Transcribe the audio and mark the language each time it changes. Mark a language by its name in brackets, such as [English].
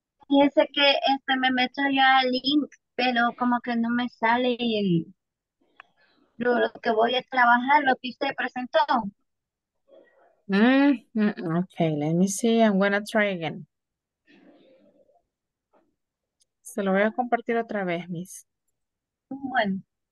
[Spanish] Fíjese que este me meto ya al link, pero como que no me sale el, lo que voy a trabajar, lo que usted presentó. [English] Okay, let me see. I'm gonna try again. [Spanish] Se lo voy a compartir otra vez, Miss. Bueno.